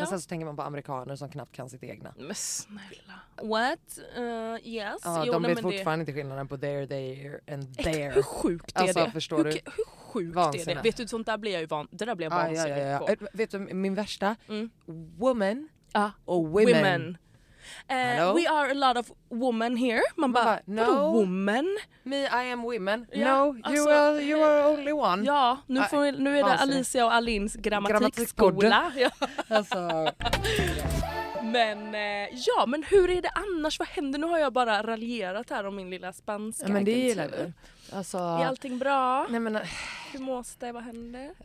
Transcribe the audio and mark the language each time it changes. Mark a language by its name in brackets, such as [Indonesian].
[Swedish] Men sen så tänker man på amerikaner som knappt kan sitt egna. Men snälla. [English] What? Yes. [Swedish] Ja, de vet fortfarande inte skillnaden på there and there. Hur sjukt är alltså, det? Alltså förstår du? Sjukt vansinne. Är det. Vet du, sånt där blir jag ju vansinnig. Det där blir jag vansinnig på. Vet du, min värsta? Woman och women. [English] We are a lot of women here. [Swedish] Man bara, [English] no, woman? Me, I am women. Yeah. No, you, alltså, are, you are only one. [Swedish] Ja, nu är det Alicia och Alins grammatikskola. Alltså. Men ja, men hur är det annars? Vad händer? Nu har jag bara raljerat här om min lilla spanska. Ja, men det gillar du. Alltså, är allting bra? Nej, men, hur måste det? Vad hände?